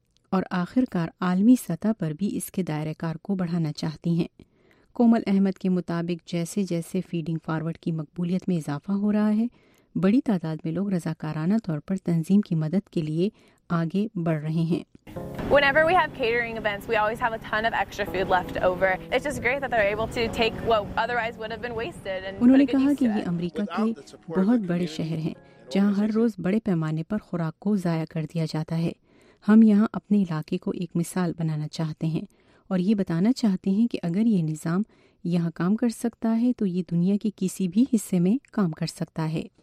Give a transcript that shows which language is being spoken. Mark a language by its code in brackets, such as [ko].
[ur] اور آخر کار عالمی سطح پر بھی اس کے دائرہ کار کو بڑھانا چاہتی ہیں۔ کومل احمد کے مطابق، جیسے جیسے فیڈنگ فارورڈ کی مقبولیت میں اضافہ ہو رہا ہے، بڑی تعداد میں لوگ رضاکارانہ طور پر تنظیم کی مدد کے لیے آگے بڑھ رہے ہیں۔ [en] Whenever we have catering events, we always have a ton of extra food left over. It's just great that they're able to take what otherwise would have been wasted and [ur] انہوں نے کہا کہ یہ امریکہ کے بہت بڑے شہر ہیں جہاں ہر روز بڑے پیمانے پر خوراک کو ضائع کر دیا جاتا ہے۔ ہم یہاں اپنے علاقے کو ایک مثال بنانا چاہتے ہیں، اور یہ بتانا چاہتے ہیں کہ اگر یہ نظام یہاں کام کر سکتا ہے تو یہ دنیا کے کسی بھی حصے میں کام کر سکتا ہے۔